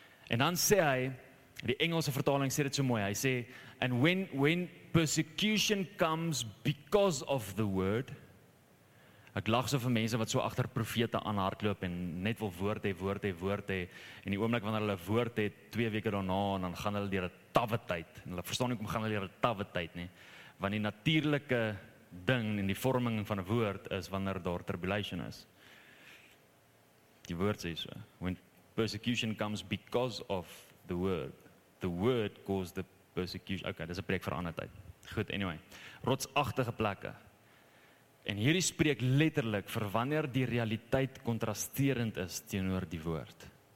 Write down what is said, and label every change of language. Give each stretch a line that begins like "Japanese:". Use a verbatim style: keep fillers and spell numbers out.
Afrikaans: En dan sê hy, die Engelse vertaling sê dit so mooi, hy sê,
English: and when when persecution comes because of the word,
Afrikaans: ek lag so vir mense wat so agter profete aan hardloop en net wil woord hê, woord hê, woord hê, en die oomblik wanneer hulle woord het, twee weke daarna, en dan gaan hulle deur 'n tawwe tyd, en hulle verstaan nie hoekom gaan hulle deur 'n tawwe tyd nie, want die natuurlike ding in die vorming van 'n woord is wanneer daar tribulation is. Die woord sê so,
English: when persecution comes because of the word, the word caused the persecution.
Afrikaans: Okay, dis 'n preek vir 'n ander tyd. Goed, anyway. Rotsagtige plekke. En hierdie spreek letterlik vir wanneer die realiteit kontrasterend is teenoor die woord.